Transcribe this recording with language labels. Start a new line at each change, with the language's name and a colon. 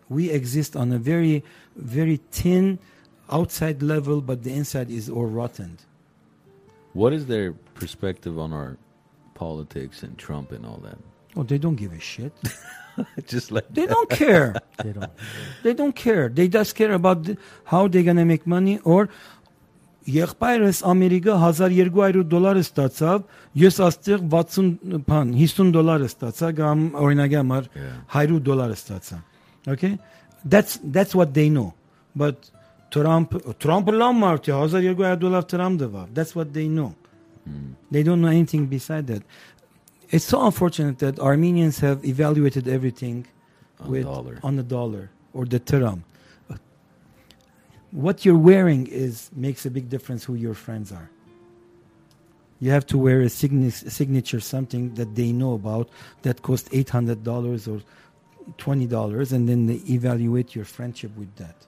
English: We exist on a very, very thin outside level, but the inside is all rotten. What is their perspective on our politics and Trump and all that? Oh, they don't give a shit. Just like they don't care. They don't care. They just care about how they're going to make money or...
Armenian: Եղբայրս Ամերիկա 1200 դոլար ստացավ, ես աստեղ 60 բան, 50 դոլար ստացա կամ օրինակի համար 100 դոլար ստացա.
English: Okay? That's what they know. But Trump
Armenian: Lamart 1200 դոլար Trump դվա.
English: That's what they know. They don't know anything beside that. It's so unfortunate that Armenians have evaluated everything on the dollar or the Trump. What you're wearing makes a big difference who your friends are. You have to wear a signature, something that they know about that costs $800 or $20, and then they evaluate your friendship with that.